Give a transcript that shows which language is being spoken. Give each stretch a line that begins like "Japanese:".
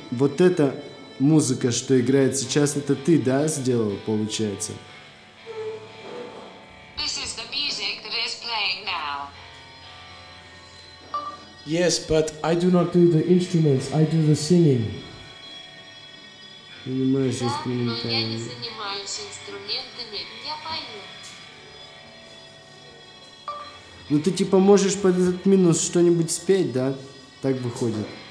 Russian: Вот эта музыка, что играет сейчас, это ты, да, сделал, получается?
English: This is the music that is playing now. Yes, but I do not do the instruments, I do the singing.
Russian: Понимаешь, инструментами. Да, но я не занимаюсь инструментами, я пою. Ну ты типа можешь под этот минус что-нибудь спеть, да? Так выходит.